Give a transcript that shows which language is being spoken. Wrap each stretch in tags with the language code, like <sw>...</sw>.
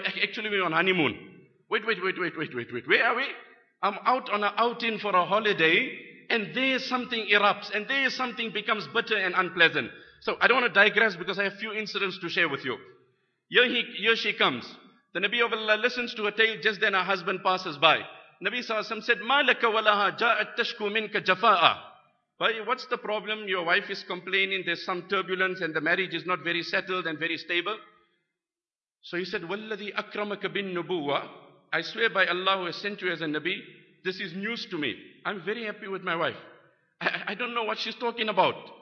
<en>Actually, we're on honeymoon. Wait. Where are we? I'm out on an outing for a holiday, and there something erupts, and there something becomes bitter and unpleasant. So I don't want to digress because I have a few incidents to share with you. Here she comes. The Nabi of Allah listens to a tale. Just then her husband passes by. Nabi SAW said,</en> <ar>مَا لَكَ وَلَهَا جَاءَتْ تَشْكُ مِنْكَ جَفَاءً.</ar> <en>Why, what's the problem? Your wife is complaining. There's some turbulence and the marriage is not very settled and very stable. So he said,</en> <ar>وَالَّذِي أَكْرَمَكَ بِالنُّبُوَّةِ.</ar> <en>I swear by Allah who has sent you as a Nabi, this is news to me. I'm very happy with my wife. I don't know what she's talking about.</en>